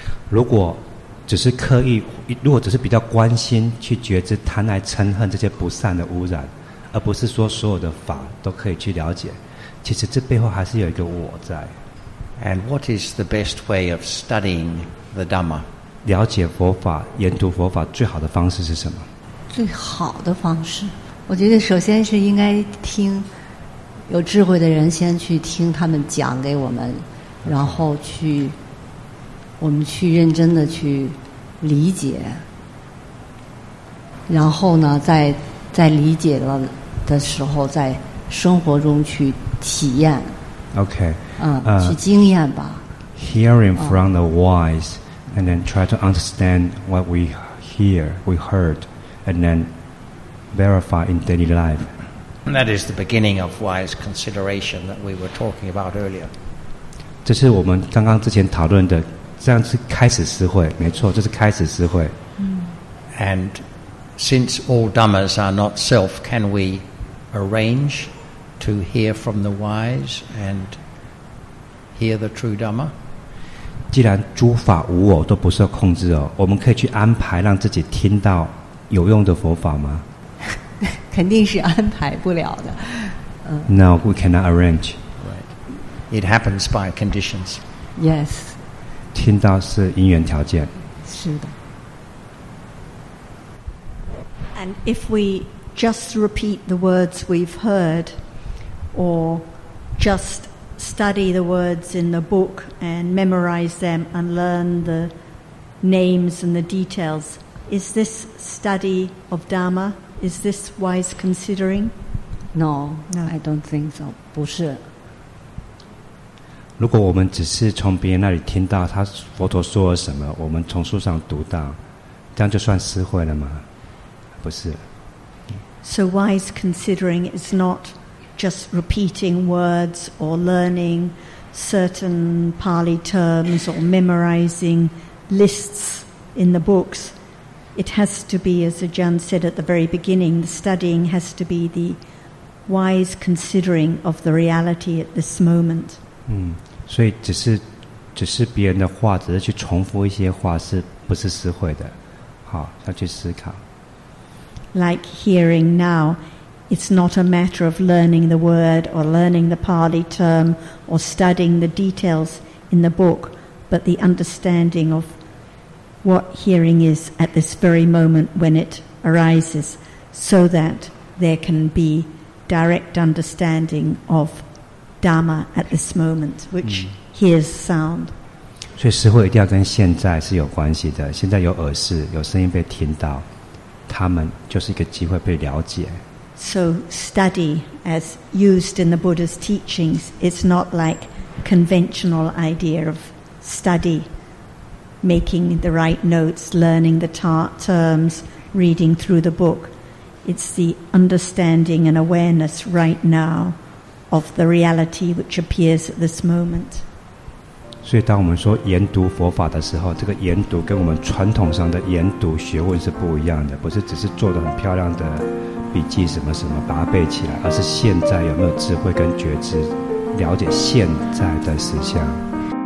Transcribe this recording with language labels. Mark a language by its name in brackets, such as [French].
[Chinese] 如果只是刻意，如果只是比较关心去觉知贪爱嗔恨这些不善的污染，而不是说所有的法都可以去了解。其实这背后还是有一个我在。 [English] And what is the best way of studying the Dhamma? [Chinese] 了解佛法、研读佛法最好的方式是什么？最好的方式。我觉得首先是应该听有智慧的人先去听他们讲给我们，然后去我们去认真的去理解，然后呢在理解了的时候在生活中去体验。 [English] OK [Chinese] 去经验吧。 [English] Hearing from the wise and then try to understand what we hear, we heard, and then verify in daily life. And that is the beginning of wise consideration that we were talking about earlier. [Chinese] 这是我们刚刚之前讨论的，这样是开始思慧，没错，这是开始思慧。 [English] And since all Dhammas are not self, can we arrange to hear from the wise and hear the true Dhamma? [Chinese] 既然诸法无我都不受控制哦，我们可以去安排让自己听到有用的佛法吗？肯定是安排不了的。 [English] No, we cannot arrange. Right. It happens by conditions. Yes. [Chinese] 听到是因缘条件。是的。 [English] And if we just repeat the words we've heard, or just study the words in the book and memorize them and learn the names and the details, is this study of Dhamma? Is this wise considering? No, no. I don't think so. [Chinese] 不是。如果我们只是从别人那里听到他佛陀说了什么，我们从书上读到，这样就算思慧了吗？不是。 [English] So wise considering is not just repeating words or learning certain Pali terms or memorizing lists in the books. It has to be, as Ajahn said at the very beginning, the studying has to be the wise considering of the reality at this moment. [Chinese] 所以只是别人的话，只是去重复一些话，是不是思慧的？好，要去思考。 [English] Like hearing now, it's not a matter of learning the word or learning the Pali term or studying the details in the book, but the understanding of what hearing is at this very moment when it arises, so that there can be direct understanding of Dhamma at this moment, which hears sound. [Chinese] 所以思慧一定要跟现在是有关系的，现在有耳识，有声音被听到，他们就是一个机会被了解。 [English] So study, as used in the Buddha's teachings, it's not like conventional idea of study, making the right notes, learning the terms, reading through the book. It's the understanding and awareness right now of the reality which appears at this moment. [Chinese] 所以当我们说研读佛法的时候，这个研读跟我们传统上的研读学问是不一样的，不是只是做得很漂亮的笔记什么什么把它背起来，而是现在有没有智慧跟觉知，了解现在的实相。